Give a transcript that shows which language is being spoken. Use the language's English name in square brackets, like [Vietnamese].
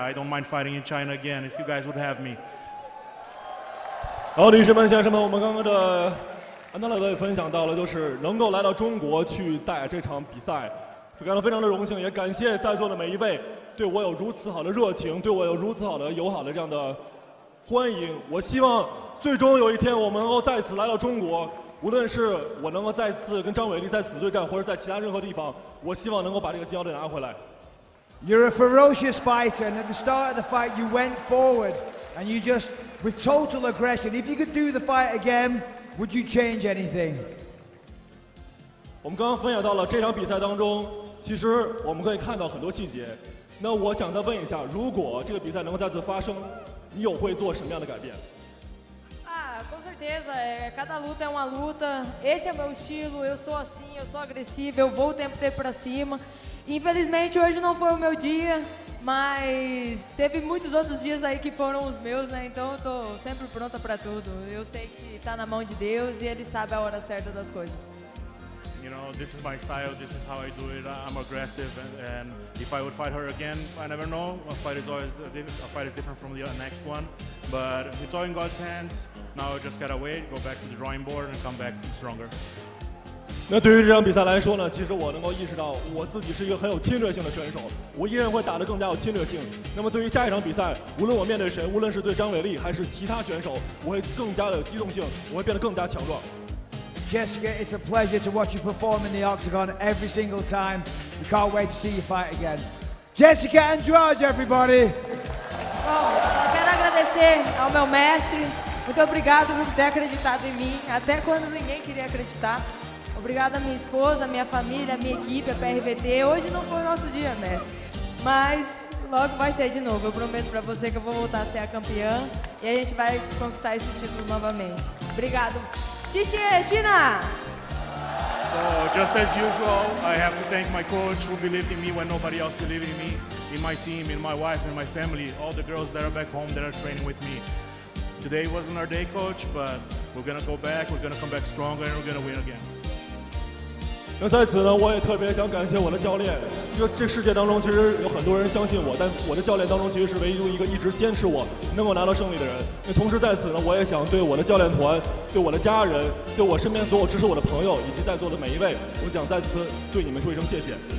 [English] I don't mind fighting in China again if you guys would have me. [Chinese] 好，女士们、先生们，我们刚刚的安德烈也分享到了，就是能够来到中国去带这场比赛，感到非常的荣幸，也感谢在座的每一位。对我有如此好的热情，对我有如此好的友好的这样的欢迎，我希望最终有一天我们能够再次来到中国，无论是我能够再次跟张伟丽再次对战，或者在其他任何地方，我希望能够把这个金牌拿回来。 [English] You're a ferocious fighter, and at the start of the fight, you went forward, and you just with total aggression. If you could do the fight again, would you change anything? [Chinese] 我们刚刚分享到了这场比赛当中，其实我们可以看到很多细节。那我想再问一下，如果这个比赛能够再次发生，你又会做什么样的改变？ [Portuguese] com certeza, cada luta é uma luta. Esse é meu estilo, eu sou assim, eu sou agressivo, eu vou o tempo todo para cima. Infelizmente hoje não foi o meu dia, mas teve muitos outros dias aí que foram os meus, né? Então eu tô sempre pronta para tudo. Eu sei que tá na mão de Deus e Ele sabe a hora certa das coisas. [English] Yeah, you know, this is my style, this is how I do it, I'm aggressive, and if I would fight her again, I never know, a fight is different from the next one, but it's all in God's hands, now I just gotta wait, go back to the drawing board and come back stronger. [Chinese] 那对于这场比赛来说呢，其实我能够意识到我自己是一个很有侵略性的选手，我依然会打得更加有侵略性。那么对于下一场比赛，无论我面对谁，无论是对张伟丽还是其他选手，我会更加的有机动性，我会变得更加强壮。 [English] Jessica, it's a pleasure to watch you perform in the octagon every single time. We can't wait to see you fight again. Jessica and George, everybody. [Portuguese] Bom, quero agradecer ao meu mestre. Muito obrigado por ter acreditado em mim, até quando ninguém queria acreditar. Obrigada à minha esposa, à minha família, à minha equipe, à PRVT. Hoje não foi o nosso dia, mestre. Mas logo vai ser de novo. Eu prometo pra você que eu vou voltar a ser a campeã. E a gente vai conquistar esse título novamente. Obrigado. Xixi, China! [English] So, just as usual, I have to thank my coach who believed in me when nobody else believed in me. In my team, in my wife, in my family. All the girls that are back home that are training with me. Today wasn't our day, coach, but we're gonna go back. We're gonna come back stronger and we're gonna win again. [Chinese] 那在此呢，我也特别想感谢我的教练，因为这世界当中其实有很多人相信我，但我的教练当中其实是唯一一个一直坚持我能够拿到胜利的人。那同时在此呢，我也想对我的教练团、对我的家人、对我身边所有支持我的朋友以及在座的每一位，我想在此对你们说一声谢谢。